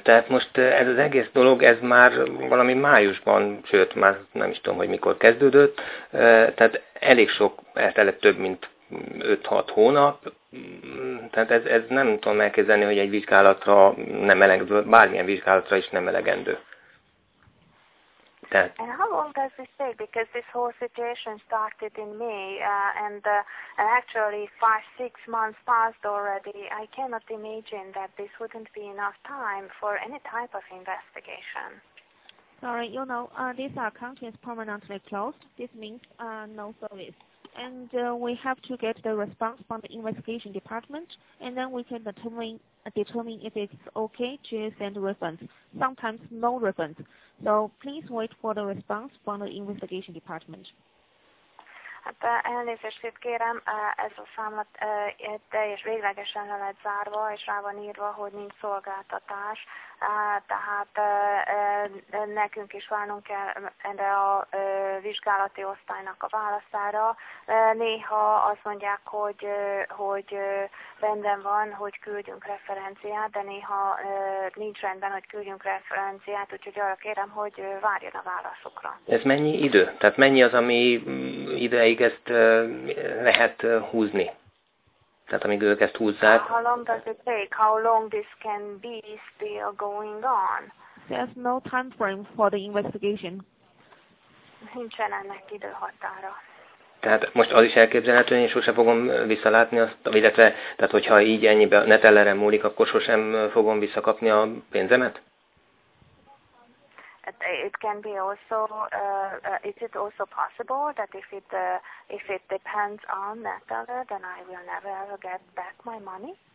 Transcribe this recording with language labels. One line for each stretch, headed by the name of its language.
Hungarian: Tehát most ez az egész dolog, ez már valami májusban, sőt, már nem is tudom, hogy mikor kezdődött. Tehát elég sok, eltelt több, mint 5-6 hónap. Tehát ez nem tudom elképzelni, hogy egy vizsgálatra nem elegendő, bármilyen vizsgálatra is nem elegendő.
English: And how long does this take? Because this whole situation started in May, and actually 5-6 months passed already. I cannot imagine that this wouldn't be enough time for any type of investigation. Sorry, you know, this account is permanently closed. This means no service. And we have to get the response from the investigation department, and then we can determine if it's okay to send refunds. Sometimes no refunds. So please wait for the response from the investigation department.
Hungarian: Hát elnézést kérem, ez a számla teljes véglegesen le lett zárva, és rá van írva, hogy nincs szolgáltatás, tehát nekünk is várnunk kell erre a vizsgálati osztálynak a válaszára. Néha azt mondják, hogy rendben van, hogy küldjünk referenciát, de néha nincs rendben, hogy küldjünk referenciát, úgyhogy arra kérem, hogy várjon a válaszokra. Ez mennyi idő? Tehát mennyi az, ami ideig ezt lehet húzni. Tehát amíg ők ezt húzzák.
English: How long does it take? How long this can be still going on? There's no time frame for the investigation.
Hungarian: Nincsen ennek időhatára. Tehát most az is elképzelhető, hogy én sosem fogom visszalátni azt, illetve tehát hogyha így ennyibe netellere múlik, akkor sosem fogom visszakapni a pénzemet?
English: It can be also. Is it also possible that if it depends on that other, then I will never ever get back my money?